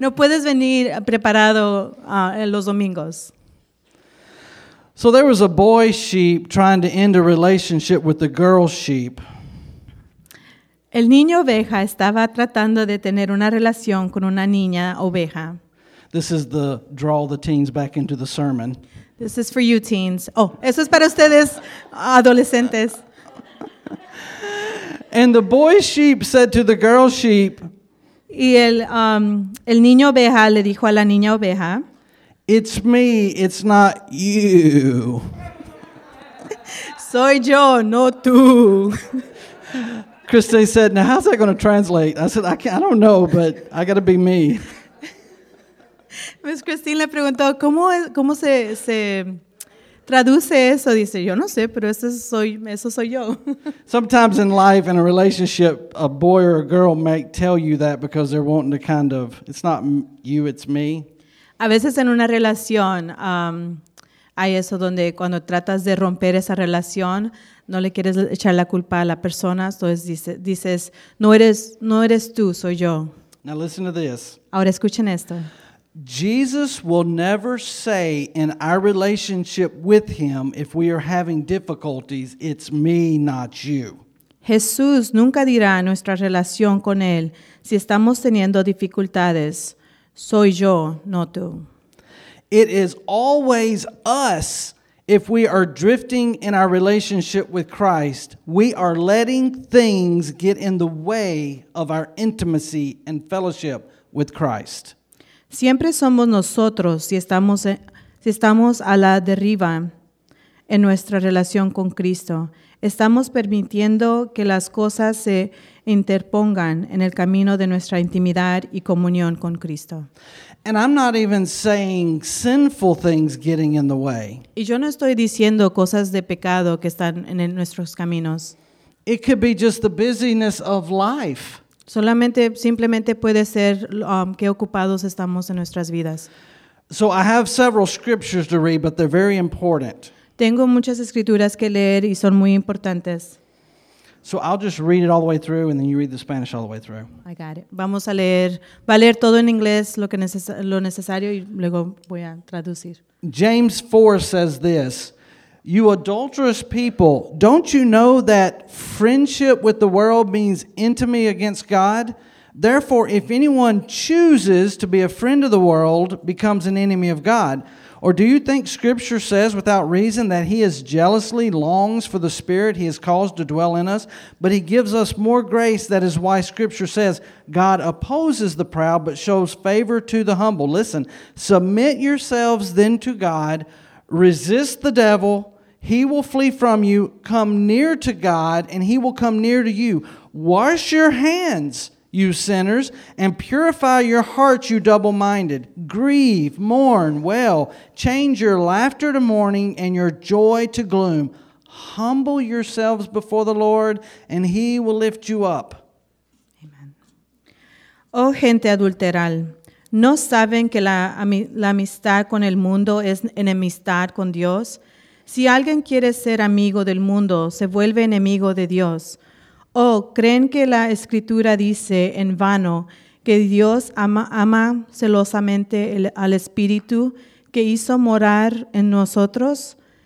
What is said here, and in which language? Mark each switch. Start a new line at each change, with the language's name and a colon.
Spanish: No puedes venir preparado los domingos.
English: So there was a boy sheep trying to end a relationship with the girl sheep.
Spanish: El niño oveja estaba tratando de tener una relación con una niña oveja.
English: This is the draw the teens back into the sermon. This is for you teens.
Spanish: Oh, eso es para ustedes, adolescentes.
English: And the boy sheep said to the girl sheep,
Spanish: y el niño oveja le dijo a la niña oveja,
English: it's me, it's not you.
Spanish: Soy yo, no tú.
English: Christy said, now how's that going to translate? I said, I don't know, but I got to be me.
Spanish: Miss Christine le preguntó, ¿cómo se traduce eso? Dice, yo no sé, pero eso soy yo.
English: Sometimes in life, in a relationship, a boy or a girl may tell you that because they're wanting to kind of, it's not you, it's me.
Spanish: A veces en una relación hay eso donde cuando tratas de romper esa relación, no le quieres echar la culpa a la persona, entonces dices, no eres tú, soy yo.
English: Now listen to this.
Spanish: Ahora escuchen esto.
English: Jesus will never say in our relationship with him, if we are having difficulties, it's me, not you.
Spanish: Jesús nunca dirá en nuestra relación con él, si estamos teniendo dificultades, soy yo, no tú.
English: It is always us. If we are drifting in our relationship with Christ, we are letting things get in the way of our intimacy and fellowship with Christ.
Spanish: Siempre somos nosotros si estamos a la deriva en nuestra relación con Cristo. Estamos permitiendo que las cosas se interpongan en el camino de nuestra intimidad y comunión con Cristo.
English: And I'm not even saying sinful things getting in the way.
Spanish: Y yo no estoy diciendo cosas de pecado que están en nuestros caminos.
English: It could be just the busyness of life.
Spanish: Simplemente puede ser qué ocupados estamos en nuestras vidas.
English: So I have several scriptures to read, but they're very important.
Spanish: Tengo muchas escrituras que leer y son muy importantes.
English: So I'll just read it all the way through, and then you read the Spanish all the way through. I got it.
Spanish: Vamos a leer. Va a leer todo en inglés lo necesario y luego voy a traducir.
English: James 4 says this. You adulterous people, don't you know that friendship with the world means enmity against God? Therefore, if anyone chooses to be a friend of the world, becomes an enemy of God. Or do you think Scripture says without reason that he is jealously longs for the Spirit he has caused to dwell in us, but he gives us more grace? That is why Scripture says God opposes the proud but shows favor to the humble. Listen, submit yourselves then to God. Resist the devil, he will flee from you. Come near to God, and he will come near to you. Wash your hands, you sinners, and purify your hearts, you double-minded. Grieve, mourn, wail. Change your laughter to mourning and your joy to gloom. Humble yourselves before the Lord, and he will lift you up.
Spanish: Amen. Oh, gente adulteral. ¿No saben que la amistad con el mundo es enemistad con Dios? Si alguien quiere ser amigo del mundo, se vuelve enemigo de Dios. ¿O creen que la Escritura dice en vano que Dios ama celosamente al Espíritu que hizo morar en nosotros?